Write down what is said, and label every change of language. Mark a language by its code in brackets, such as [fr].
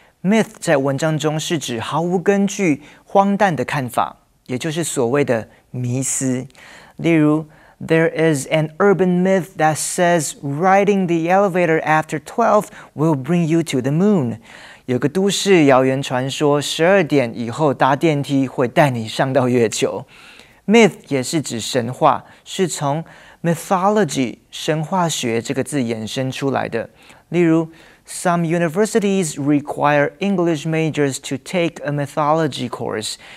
[zh] myth 在文章中是指毫无根据荒诞的看法，也就是所谓的迷思。例如 [en] There is an urban myth that says riding the elevator after 12 will bring you to the moon. [zh] 有个都市谣言传说12点以后搭电梯会带你上到月球。 myth 也是指神话，是从 mythology 神话学这个字衍生出来的。例如 [en] some universities require English majors to take a mythology course.